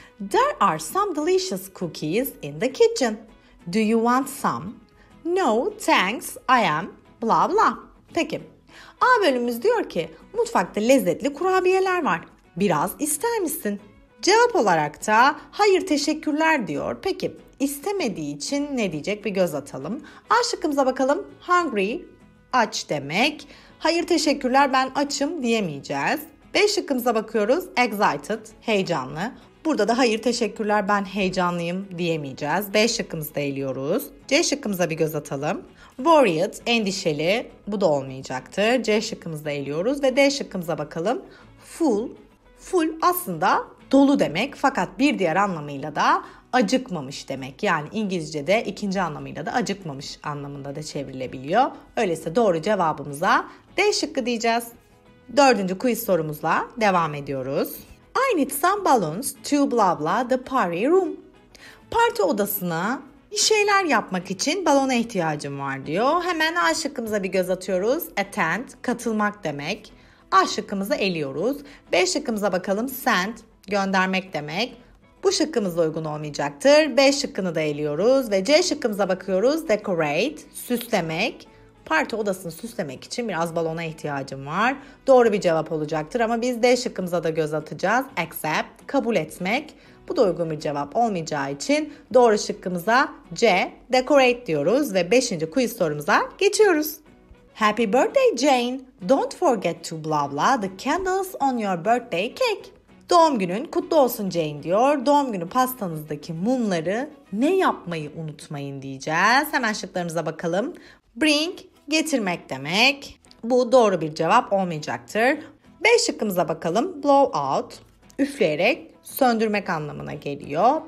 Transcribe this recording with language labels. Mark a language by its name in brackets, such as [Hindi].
[English] There are some delicious cookies in the kitchen. Do you want some? No, thanks, I am, blah blah. [Turkish] Peki, A bölümümüz diyor ki, mutfakta lezzetli kurabiyeler var. Biraz ister misin? Cevap olarak da hayır teşekkürler diyor. Peki istemediği için ne diyecek, bir göz atalım. A şıkkımıza bakalım. Hungry, aç demek. Hayır teşekkürler, ben açım diyemeyeceğiz. B şıkkımıza bakıyoruz. [English] Excited, heyecanlı. [Turkish] Burada da hayır teşekkürler, ben heyecanlıyım diyemeyeceğiz. B şıkkımızı da eliyoruz. C şıkkımıza bir göz atalım. Worried, endişeli. Bu da olmayacaktır. C şıkkımızı da eliyoruz. Ve D şıkkımıza bakalım. Full. Full aslında dolu demek, fakat bir diğer anlamıyla da acıkmamış demek. Yani İngilizce'de ikinci anlamıyla da acıkmamış anlamında da çevrilebiliyor. Öyleyse doğru cevabımıza D şıkkı diyeceğiz. Dördüncü quiz sorumuzla devam ediyoruz. [English] I need some balloons to blah blah the party room. [Turkish] Parti odasına bir şeyler yapmak için balona ihtiyacım var diyor. Hemen A şıkkımıza bir göz atıyoruz. Attend, katılmak demek. A şıkkımızı eliyoruz. B şıkkımıza bakalım. Send, göndermek demek. Bu şıkkımız uygun olmayacaktır. B şıkkını da eliyoruz. Ve C şıkkımıza bakıyoruz. Decorate, süslemek. Parti odasını süslemek için biraz balona ihtiyacım var. Doğru bir cevap olacaktır ama biz D şıkkımıza da göz atacağız. Accept, kabul etmek. Bu da uygun bir cevap olmayacağı için doğru şıkkımıza C, decorate diyoruz. Ve 5. quiz sorumuza geçiyoruz. [English] Happy birthday Jane. Don't forget to blah blah the candles on your birthday cake. [Turkish] Doğum günün kutlu olsun Jane diyor. Doğum günü pastanızdaki mumları ne yapmayı unutmayın diyeceğiz. Hemen şıklarımıza bakalım. Bring, getirmek demek. Bu doğru bir cevap olmayacaktır. B şıkkımıza bakalım. Blow out, üfleyerek söndürmek anlamına geliyor.